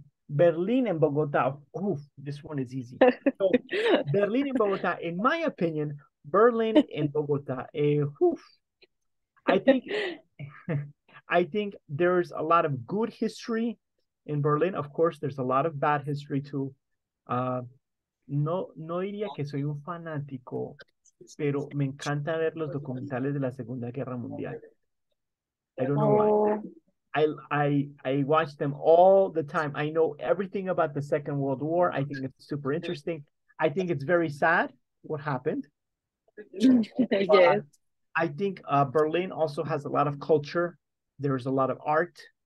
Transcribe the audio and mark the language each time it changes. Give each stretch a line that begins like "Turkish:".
English: Berlin and Bogota. Oof, this one is easy. So, Berlin and Bogota, in my opinion, Berlin and Bogota, oof, I think. I think there's a lot of good history in Berlin. Of course, there's a lot of bad history too.
Spanish: No diría que soy un fanático, pero me encanta ver los documentales de la Segunda Guerra Mundial.
English: I don't know why. I watch them all the time. I know everything about the Second World War. I think it's super interesting. I think it's very sad what happened. Yes. I think Berlin also has a lot of culture. There is a lot of art.